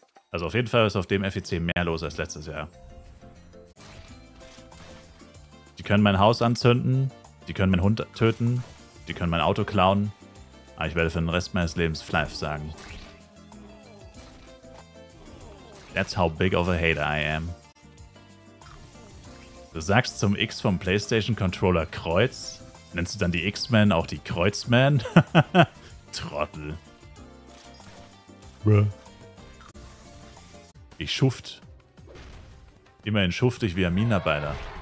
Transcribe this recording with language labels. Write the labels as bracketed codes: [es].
[de] Also auf jeden Fall ist auf dem FEC mehr los als letztes Jahr. Die können mein Haus anzünden, die können meinen Hund töten, die können mein Auto klauen. Ich werde für den Rest meines Lebens Flyf sagen. [en] That's how big of a hater I am. [de] Du sagst zum X vom PlayStation Controller Kreuz? Nennst du dann die X-Men auch die Kreuzmen? Trottel. Bruh. Ich schuft. Immerhin schuft ich wie ein Minenarbeiter.